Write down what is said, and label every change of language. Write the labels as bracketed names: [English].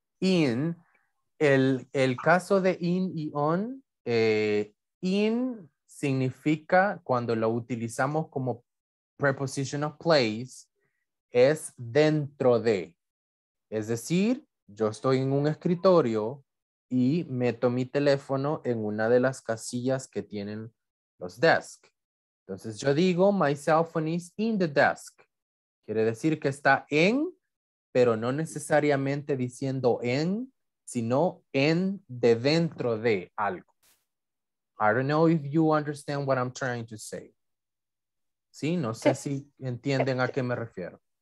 [Spanish] In, el caso de in y on, in significa, cuando lo utilizamos como [English] preposition of place, [Spanish] es dentro de. Es decir, yo estoy en un escritorio y meto mi teléfono en una de las casillas que tienen los desks. Entonces yo digo, [English] my cell phone is in the desk. [Spanish] Quiere decir que está en, pero no necesariamente diciendo en, sino en de dentro de algo. [English] I don't know if you understand what I'm trying to say. [Spanish] Sí, no sé si entienden a qué me refiero.